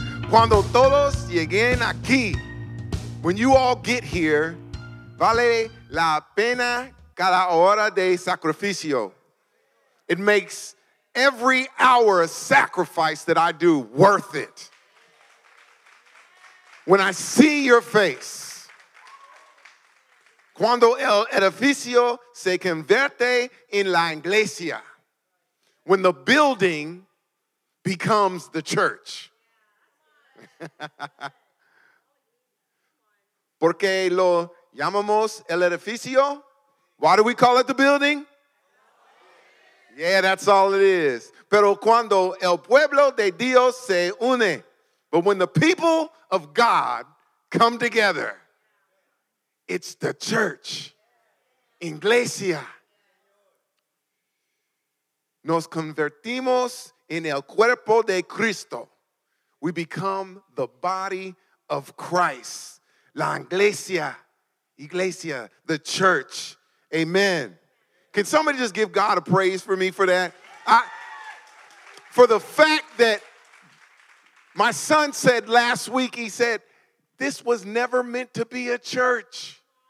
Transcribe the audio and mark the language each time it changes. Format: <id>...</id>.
<es>Cuando todos lleguen aquí,</es> <en>when you all get here,</en> <es>vale la pena cada hora de sacrificio.</es> <en>It makes every hour of sacrifice that I do worth it. When I see your face,</en> <es>cuando el edificio se convierte en la iglesia,</es> <en>when the building becomes the church.</en> <es>Porque lo llamamos el edificio.</es> <en>Why do we call it the building? Yeah, that's all it is.</en> <es>Pero cuando el pueblo de Dios se une,</es> <en>but when the people of God come together, it's the church, iglesia.</en> <es>Nos convertimos en el cuerpo de Cristo.</es> <en>We become the body of Christ.</en> <es>La iglesia, iglesia,</es> <en>the church.</en> <es>Amen.</es> <en>Can somebody just give God a praise for me for that? For the fact that my son said last week, he said, this was never meant to be a church.</en>